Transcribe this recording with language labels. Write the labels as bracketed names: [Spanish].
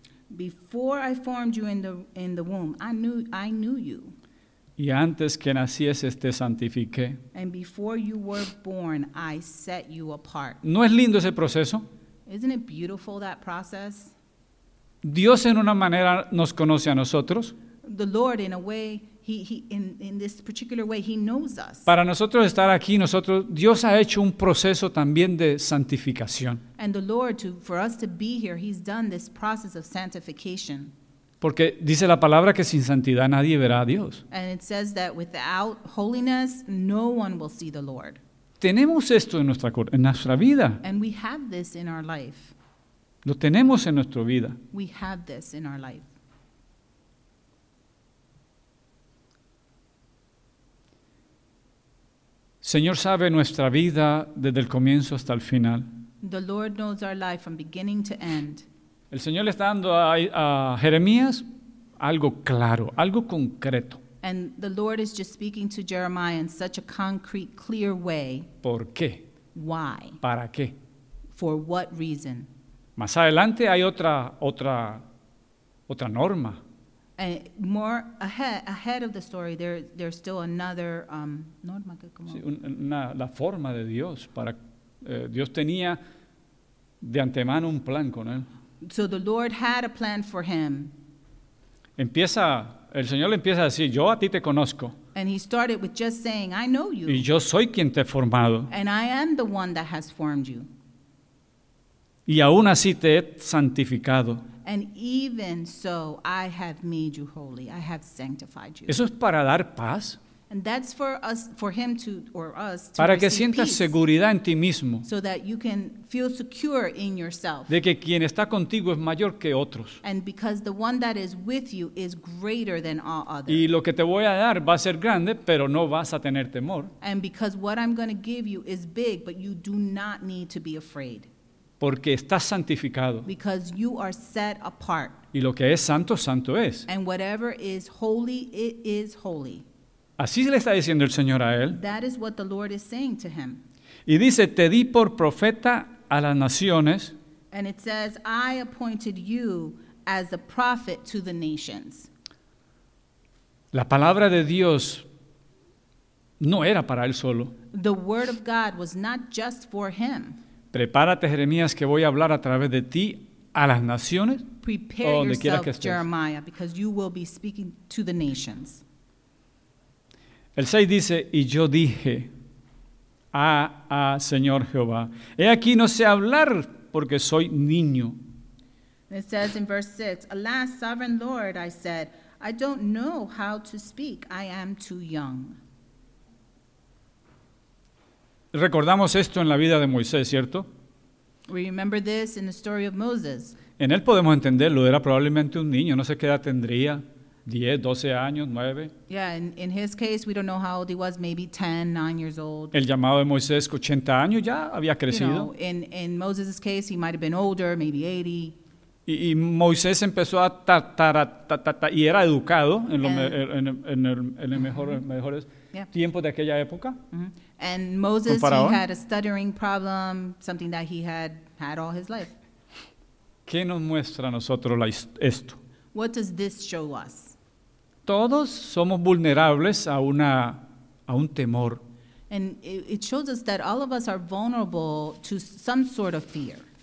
[English] Before I formed you in the womb, I knew you. [Spanish] Y antes que nacieses, te santifiqué. [English] And before you were born, I set you apart. [Spanish] ¿No es lindo ese proceso? [English] Isn't it beautiful, that process? [Spanish] Dios en una manera nos conoce a nosotros. [English] The Lord, in a way, he in this particular way, he knows us. [Spanish] Para nosotros estar aquí, nosotros, Dios ha hecho un proceso también de santificación. [English] And the Lord, for us to be here, he's done this process of sanctification. [Spanish] Porque dice la palabra que sin santidad nadie verá a Dios. [English] And it says that without holiness, no one will see the Lord. [Spanish] Tenemos esto en nuestra vida. [English] And we have this in our life. [Spanish] Lo tenemos en nuestra vida. [English] We have this in our life. [Spanish] Señor sabe nuestra vida desde el comienzo hasta el final. [English] The Lord knows our life from beginning to end. [Spanish] El Señor le está dando a Jeremías algo claro, algo concreto. [English] And the Lord is just speaking to Jeremiah in such a concrete, clear way. [Spanish] ¿Por qué? [English] Why? [Spanish] ¿Para qué? [English] For what reason? [Spanish] Más adelante hay otra norma. [English] And more ahead of the story, there's still another norma. [Spanish] La forma de Dios. Dios tenía de antemano un plan con él. [English] So the Lord had a plan for him. [Spanish] El Señor le empieza a decir, yo a ti te conozco. [English] And he started with just saying, I know you. [Spanish] Y yo soy quien te he formado. [English] And I am the one that has formed you. [Spanish] Y aún así te he santificado. [English] And even so, I have made you holy. I have sanctified you. [Spanish] Eso es para dar paz. [English] And that's for us, for him to, or us, to [Spanish] para que sientas peace, seguridad en ti mismo. [English] So that you can feel secure in yourself. [Spanish] De que quien está contigo es mayor que otros. [English] And because the one that is with you is greater than all others. [Spanish] Y lo que te voy a dar va a ser grande, pero no vas a tener temor. [English] And because what I'm going to give you is big, but you do not need to be afraid. [Spanish] Porque estás santificado. [English] Because you are set apart. [Spanish] Y lo que es santo, santo es. [English] And whatever is holy, it is holy. [Spanish] Así le está diciendo el Señor a él. [English] That is what the Lord is saying to him. [Spanish] Y dice, te di por profeta a las naciones. [English] And it says, I appointed you as a prophet to the nations. [Spanish] La palabra de Dios no era para él solo. [English] The word of God was not just for him. [Spanish] Prepárate, Jeremías, que voy a hablar a través de ti a las naciones. [English] Prepare yourself, Jeremiah, because you will be speaking to the nations. [Spanish] El 6 dice, y yo dije, Señor Jehová, he aquí no sé hablar porque soy niño. [English] It says in verse 6, alas, sovereign Lord, I said, I don't know how to speak, I am too young. [Spanish] Recordamos esto en la vida de Moisés, ¿cierto? [English] We remember this in the story of Moses. [Spanish] En él podemos entenderlo, era probablemente un niño, no sé qué edad tendría. 10, 12 años, 9. [English] Yeah, in his case, we don't know how old he was, maybe 10, 9 years old. [Spanish] El llamado de Moisés, 80 años, ya había crecido. [English] You know, in Moses' case, he might have been older, maybe 80. [Spanish] Y Moisés empezó a y era educado en los mejores tiempos de aquella época. Mm-hmm. [English] And Moses, he had a stuttering problem, something that he had had all his life. [Spanish] ¿Qué nos muestra a nosotros esto? [English] What does this show us? [Spanish] Todos somos vulnerables a un temor. [English] And it shows us that all of us are vulnerable to some sort of fear.